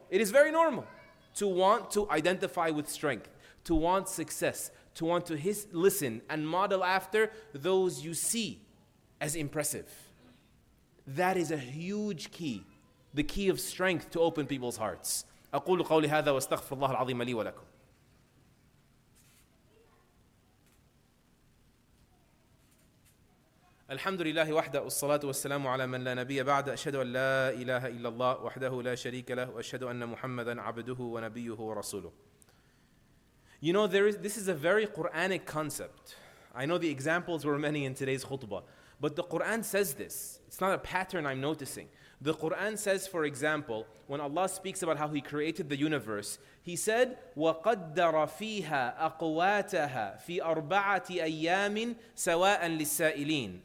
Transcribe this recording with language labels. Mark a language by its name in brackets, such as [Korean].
[English] It is very normal to want to identify with strength, to want success, to want to listen and model after those you see as impressive. That is a huge key, the key of strength to open people's hearts. [Arabic] أقول قولي هذا واستغفر الله العظيم لي ولكم. الحمد لله وحده والصلاة والسلام على من لا نبي بعد أشهد أن لا إله إلا الله وحده لا شريك له وأشهد أن محمدا عبده ونبيه ورسوله. [English] You know, this is a very Quranic concept. I know the examples were many in today's khutbah, but the Quran says this. It's not a pattern I'm noticing. The Quran says, for example, when Allah speaks about how He created the universe, He said, [Arabic] وَقَدَّرَ فِيهَا أَقْوَاتَهَا فِي أَرْبَعَةِ أَيَّامٍ سَوَاءً لِلسَّائِلِينَ.